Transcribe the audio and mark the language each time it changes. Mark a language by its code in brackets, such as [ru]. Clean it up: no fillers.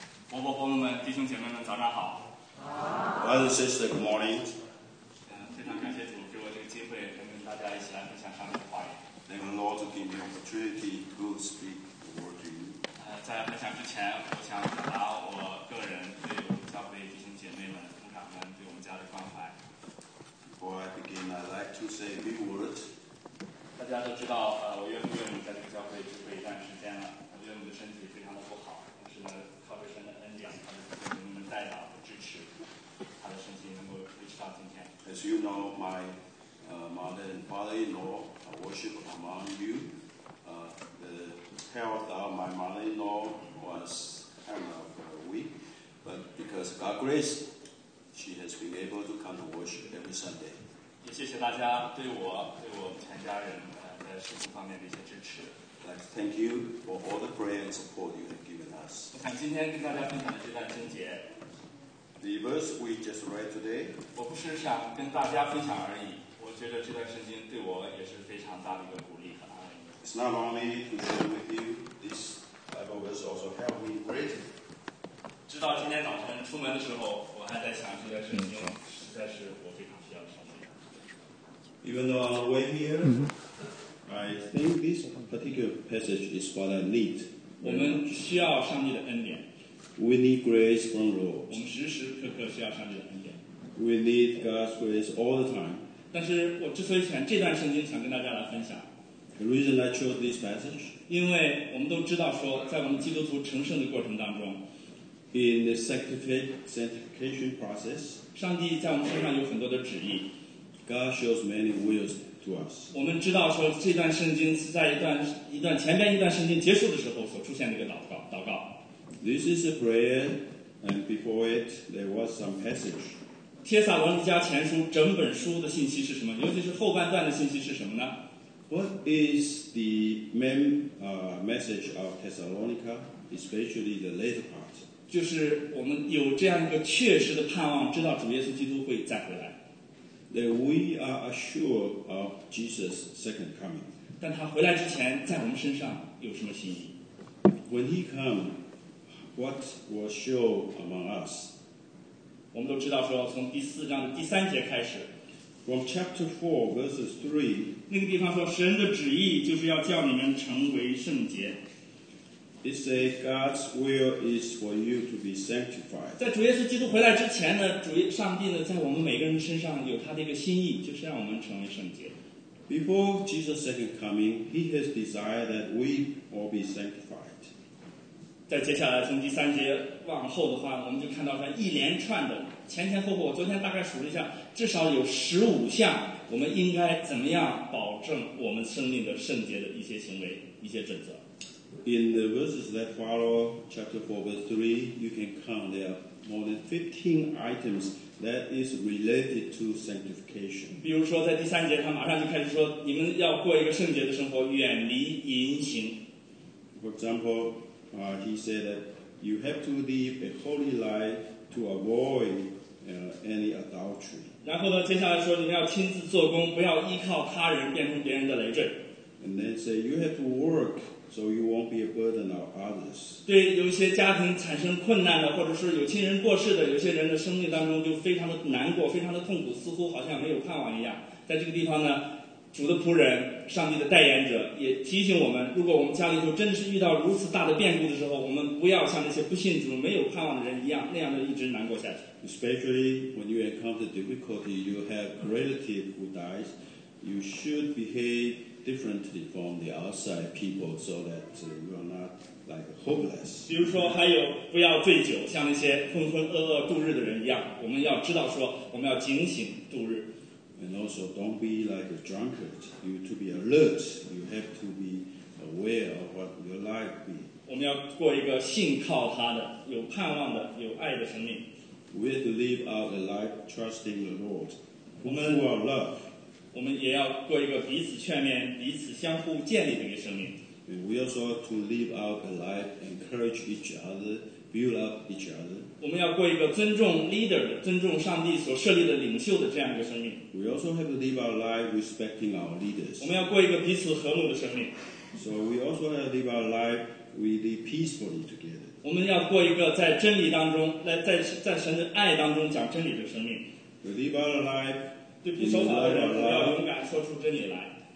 [zh] 伯伯伯母们、弟兄姐妹们，早上好。 [en] Brothers and sisters, good morning. [zh] 非常感谢主给我这个机会，跟大家一起来分享上帝的话语。 [en] Thank the Lord to give me opportunity to speak the word to you. [zh] 在分享之前，我想表达我个人对我们教会弟兄姐妹们、牧长们对我们家的关怀。 [en] Before I begin, I'd like to say a few words. [zh] 大家都知道，我岳父岳母在这个教会聚会一段时间了。岳母的身体非常的不好，但是呢，靠着神的恩典，靠着弟兄们的带导和支持，他的身体能够维持到今天。 [en] As you know, my mother and father-in-law worship among you. The health of my mother-in-law was kind of weak, but because of God's grace, she has been able to come to worship every Sunday. [zh] 也谢谢大家对我、对我全家人在事情方面的一些支持。 [en] Like, thank you for all the prayer and support you have given us. [zh] 我想今天跟大家分享的这段经节。 [en] The verse we just read today. [zh] 我不是想跟大家分享而已，我觉得这段圣经对我也是非常大的一个鼓励和安慰。 [en] It's not only to share with you, this Bible verse also helped me greatly. [zh] 直到今天早晨出门的时候，我还在想这段圣经实在是我非常需要的圣经。 [en] Even though on the way here, I think this particular passage is what I need. [zh] 我们需要上帝的恩典。 [en] We need grace from the Lord. [zh] 我们时时刻刻需要上帝的恩典。 [en] We need God's grace all the time. [zh] 但是我之所以选这段圣经，想跟大家来分享。 [en] The reason I chose this passage. [zh] 因为我们都知道说，在我们基督徒成圣的过程当中 [en] ，In the sanctification process, [zh] 上帝在我们身上有很多的旨意。 [en] God shows many wills to us. [zh] 我们知道说这段圣经是在一段前边一段圣经结束的时候所出现的一个祷告。 [en] This is a prayer, and before it, there was some passage. [zh] 帖撒罗尼迦前书整本书的信息是什么？尤其是后半段的信息是什么呢 [en] ？What is the main message of Thessalonica, especially the later part? [zh] 就是我们有这样一个确实的盼望，知道主耶稣基督会再回来。 [en] That we are assured of Jesus' second coming. [zh] 但他回来之前，在我们身上有什么心意 [en] ？When he come, what was shown among us? [zh] 我们都知道说，从第四章的第三节开始 [en] ，from chapter 4 verses 3， [zh] 那个地方说，神的旨意就是要叫你们成为圣洁。 [en] It says God's will is for you to be sanctified. [zh] 在主耶稣基督回来之前呢，上帝呢，在我们每个人的身上有他的一个心意，就是让我们成为圣洁。 [en] Before Jesus' second coming, He has desired that we all be sanctified. [zh] 在接下来从第三节往后的话，我们就看到说一连串的前前后后，我昨天大概数了一下，至少有15项，我们应该怎么样保证我们生命的圣洁的一些行为、一些准则。 [en] In the verses that follow, chapter 4, verse 3, you can count there are more than 15 items that is related to sanctification. [zh] 比如说在第三节他马上就开始说你们要过一个圣洁的生活，远离淫行。 [en] For example, he said that you have to live a holy life to avoid any adultery. [zh] 然后呢接下来说你们要亲自做工，不要依靠他人变成别人的累赘。 [en] And then say you have to work so you won't be a burden on others. [zh] 对有一些家庭产生困难的，或者是有亲人过世的，有些人的生命当中就非常的难过，非常的痛苦，似乎好像没有盼望一样。在这个地方呢，主的仆人，上帝的代言者也提醒我们，如果我们家里头真的是遇到如此大的变故的时候，我们不要像那些不信主没有盼望的人一样，那样的一直难过下去。 [en] Especially when you encounter difficulty, you have relative who dies, you should behave differently from the outside people, so that you are not like hopeless. [zh] 比如说，还有不要醉酒，像那些昏昏噩噩度日的人一样。我们要知道说，我们要警醒度日。 [en] And also, don't be like a drunkard. You to be alert. You have to be aware of what your life be. [zh] 我们要过一个信靠他的、有盼望的、有爱的生命。 [en] We have to live out a life trusting the Lord, who are love. [zh] 我们也要过一个彼此劝勉、彼此相互建立的一个生命。 [en] We also to live out a life, encourage each other, build up each other. [zh] 我们要过一个尊重 leader 的、尊重上帝所设立的领袖的这样一个生命。 [en] We also have to live our life respecting our leaders. [zh] 我们要过一个彼此和睦的生命。 [en] So we also have to live our life, we live peacefully together. [zh] 我们要过一个在真理当中，在神的爱当中讲真理的生命。 [en] To live our life, [zh] 对不守法的人，我们要勇敢说出真理来。